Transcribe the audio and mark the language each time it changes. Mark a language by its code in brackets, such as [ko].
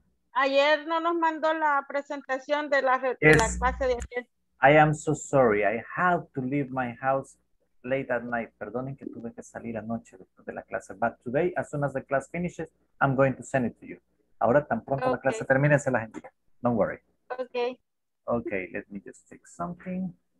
[es] Ayer no nos mandó la presentación de la, yes. De la clase de ayer. [en] I am so sorry. I have to leave my house late at night. [es] Perdonen que tuve que salir anoche después de la clase. [en] But today, as soon as the class finishes, I'm going to send it to you. [es] Ahora tan pronto okay. La clase termine, se la envía. [en] Don't worry. Okay. Okay, let me just take something.